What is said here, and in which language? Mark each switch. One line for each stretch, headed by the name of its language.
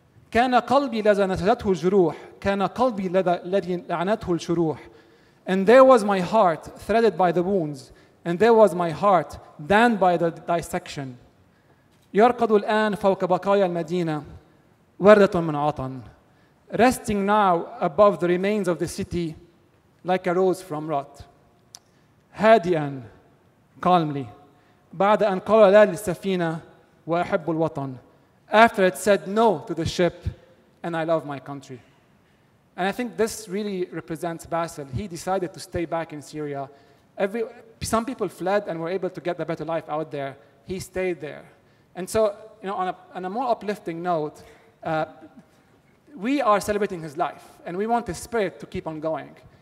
Arabic: كان قلبي لذا نسجته الجروح. كان قلبي الذي لعنته الشروح.
English: And there was my heart threaded by the wounds. And there was my heart, damned by the dissection.
Arabic: يرقد الآن فوق بقايا المدينة وردة من عطن.
English: Resting now above the remains of the city like a rose from rot.
Arabic: هادئا, calmly. بعد أن قال لا للسفينة وأحب الوطن.
English: After it said no to the ship and I love my country. And I think this really represents Basil. He decided to stay back in Syria. Some people fled and were able to get a better life out there. He stayed there. And so, you know, on a more uplifting note, we are celebrating his life, and we want his spirit to keep on going.